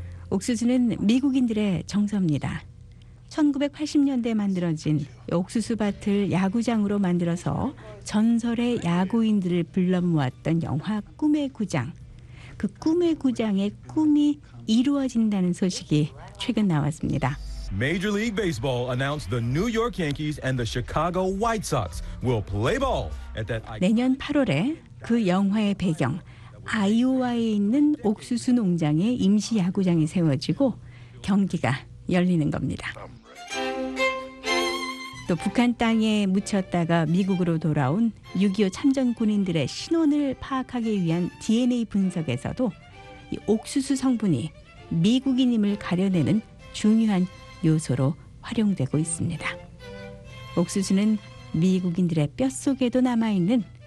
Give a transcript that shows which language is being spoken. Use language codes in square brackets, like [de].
[ko] 옥수수는 미국인들의 정서입니다. 1980년대에 만들어진 옥수수밭을 야구장으로 만들어서 전설의 야구인들을 불러모았던 영화 꿈의 구장. 그 꿈의 구장의 꿈이 이루어진다는 소식이 최근 나왔습니다. [en] Major League Baseball announced the New York Yankees and the Chicago White Sox will play ball at that. [ko] 내년 8월에 그 영화의 배경 아이오와에 있는 옥수수 농장에 임시 야구장이 세워지고 경기가 열리는 겁니다. 또 북한 땅에 묻혔다가 미국으로 돌아온 6.25 참전 군인들의 신원을 파악하기 위한 DNA 분석에서도 이 옥수수 성분이 미국인임을 가려내는 중요한 요소로 활용되고 있습니다. 옥수수는 미국인들의 뼛속에도 남아있는